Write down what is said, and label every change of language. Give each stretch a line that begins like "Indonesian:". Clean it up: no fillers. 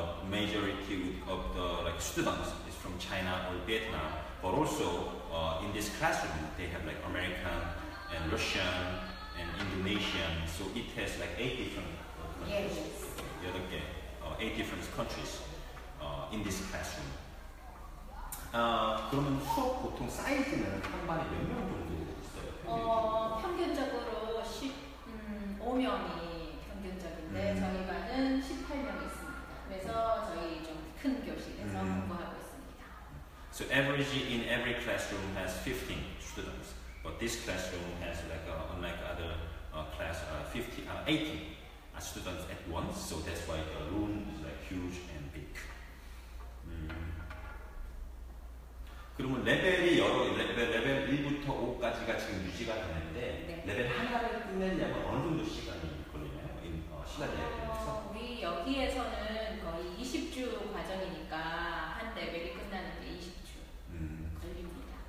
English: Majority of the like students is from China or Vietnam, but also in this classroom they have like American and Russian and Indonesian. So it has like eight different countries in this classroom.
Korean: 그러면 수업 보통 사이즈는 한 반에 몇 명 정도 있어요? 평균적으로 15명이 평균적인데 저희 반은 18명 있어요. 그래서 저희 좀 큰 교실에서 공부하고 있습니다.
English: So average in every classroom has 15 students, but this classroom has like unlike other class 80 students at once. So that's why the room is like huge and big.
Korean: 그러면 레벨이 여러 레벨 1부터 5까지가 지금 유지가 되는데 레벨 하나를 끝내려면 어느 정도 시간이 걸리나요? 신라 대학교에서 우리 여기에서는 거의 20주 과정이니까 한 레벨이 끝나는데 20주 걸립니다.